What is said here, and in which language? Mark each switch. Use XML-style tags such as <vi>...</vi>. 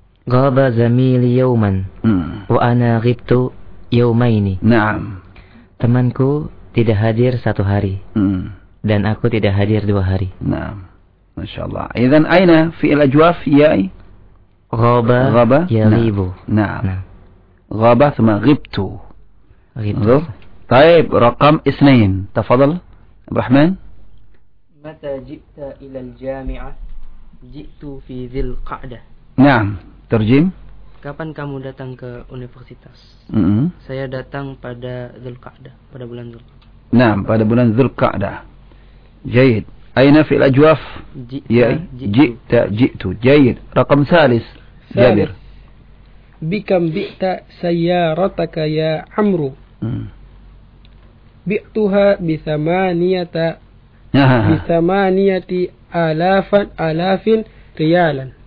<ar>غاب زميلي يوما وأنا غبت يومين. نعم.</ar> <id>Temanku tidak hadir satu hari dan aku tidak hadir dua hari.</id> <ar>نعم. Masyaallah. Idzan aina fi'il ajwaf ya'i? Ghaba. Ghaba yaghibu. Na'am. Ghaba thumma ghibtu. Ghibtu. طيب رقم 2 تفضل ابو رحمن متى جئت الى الجامعه جئت في ذي القعده نعم ترجم</ar> <id>kapan kamu datang ke universitas saya datang pada ذي القعده pada bulan ذي</id> <ar>نعم</ar> <id>pada bulan</id> <ar>ذي القعده جيد اين في الاجواف جئت جئت جيد رقم 3 جابر بكم بعت سيارتك يا عمرو بعتها بثمانية آلاف ريالا</ar>